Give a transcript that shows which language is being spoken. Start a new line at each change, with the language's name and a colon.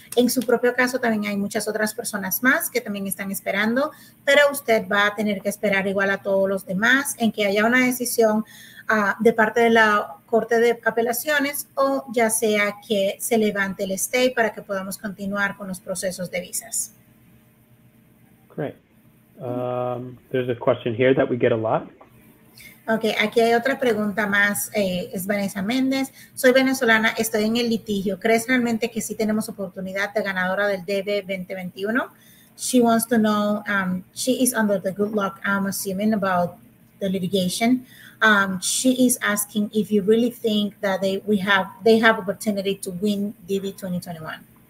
Spanish: En su propio caso, también hay muchas otras personas más que también están esperando, pero usted va a tener que esperar igual a todos los demás en que haya una decisión de parte de la Corte de Apelaciones o ya sea que se levante el stay para que podamos continuar con los procesos de visas.
English: Great. There's a question here that we get a lot.
Spanish: Okay, aquí hay otra pregunta más, es Vanessa Méndez. Soy venezolana, estoy en el litigio. ¿Crees realmente que sí tenemos oportunidad de ganadora del DB 2021?
English: She wants to know, she is under the good luck, I'm assuming, about the litigation. She is asking if you really think that they have opportunity to win DB 2021.